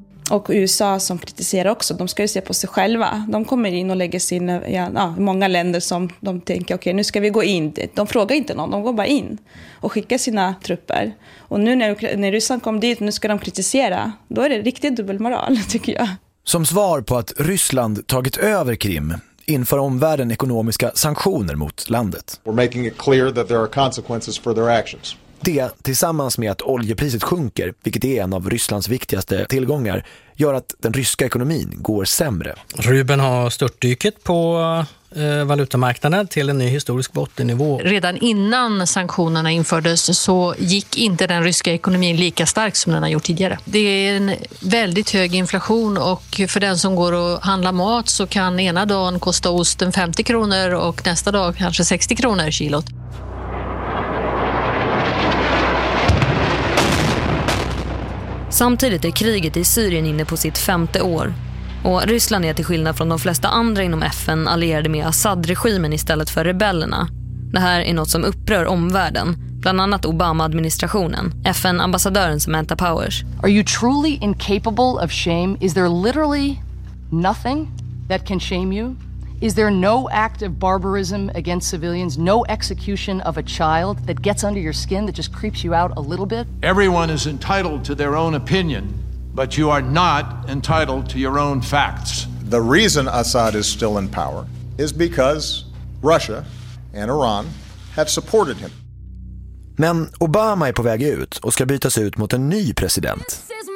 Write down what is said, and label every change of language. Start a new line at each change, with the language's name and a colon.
Swedish: Och USA som kritiserar också, de ska ju se på sig själva. De kommer in och lägger sig in i många länder som de tänker okej, nu ska vi gå in. De frågar inte någon, de går bara in och skickar sina trupper. Och nu när Ryssland kom dit, nu ska de kritisera. Då är det riktigt dubbelmoral, tycker jag. Som svar på att Ryssland tagit över Krim inför omvärlden ekonomiska sanktioner mot landet.
English: We're making it clear that there are consequences for their actions.
Swedish: Det, tillsammans med att oljepriset sjunker, vilket är en av Rysslands viktigaste tillgångar, gör att den ryska ekonomin går sämre. Rubeln har störtdyket på valutamarknaden till en ny historisk bottennivå. Redan innan sanktionerna infördes så gick inte den ryska ekonomin lika stark som den har gjort tidigare. Det är en väldigt hög inflation och för den som går och handlar mat så kan ena dagen kosta osten 50 kronor och nästa dag kanske 60 kronor kilot. Samtidigt är kriget i Syrien inne på sitt femte år. Och Ryssland är till skillnad från de flesta andra inom FN allierade med Assad-regimen istället för rebellerna. Det här är något som upprör omvärlden, bland annat Obama-administrationen, FN-ambassadören Samantha Powers.
English: Are you truly incapable of shame? Is there literally nothing that can shame you? Is there no act of barbarism against civilians, no execution of a child that gets under your skin, that just creeps you out a little bit? Everyone is entitled to their own opinion, but you are not entitled to your own facts. The reason Assad is still in power is because Russia and Iran have supported him.
Swedish: Men Obama är på väg ut och ska bytas ut mot en ny president.